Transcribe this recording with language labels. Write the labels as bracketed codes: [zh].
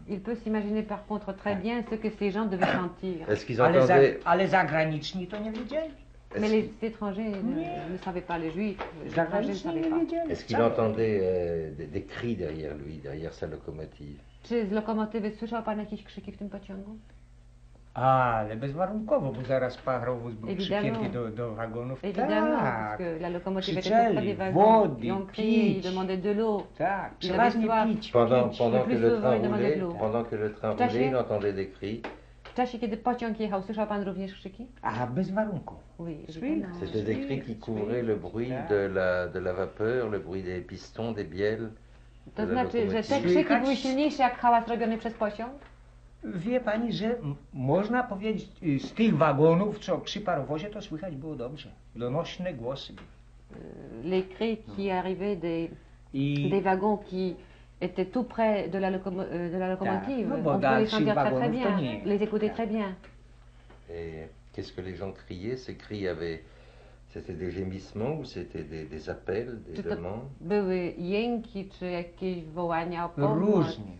[fr] Il peut s'imaginer par contre très bien ce que ces gens devaient sentir. Est-ce qu'ils entendaient... [pl] ale zagraniczni to nie wiedzieli. [fr] Mais les étrangers ne savaient pas, les juifs, les étrangers ne savaient pas. Est-ce qu'il entendait des cris derrière lui, derrière sa locomotive? [pl] Czy z lokomotywy słyszał pan jakieś krzyki w tym pociągu? Ale bezwarunkowo, bo zaraz parowóz był przypięty do wagonów. Tak, krzyczeli, wody, pić. Tak, przeważnie pić. [fr] Pendant que le train roulait, il entendait des cris. [pl] W czasie, kiedy pociąg jechał, słyszał pan również krzyki? A bez warunków. [fr] Oui, c'était des cris qui couvraient le bruit de la vapeur, le bruit des pistons, des bielles. [pl] To znaczy, że te krzyki były silniejsze jak hałas robiony przez pociąg? Wie pani, że można powiedzieć, z tych wagonów, co przy parowozie, to słychać było dobrze. Donośne głosy. [fr] Les cris qui arrivaient des wagons qui... était tout près de la locomotive. [pl] Ta, no, [fr] on pouvait les sentir très bien, les écouter très bien. Et qu'est-ce que les gens criaient? Ces cris avaient... C'était des gémissements ou c'était des appels, des demandes? [pl] Były jęki czy jakieś wołania o pomoc?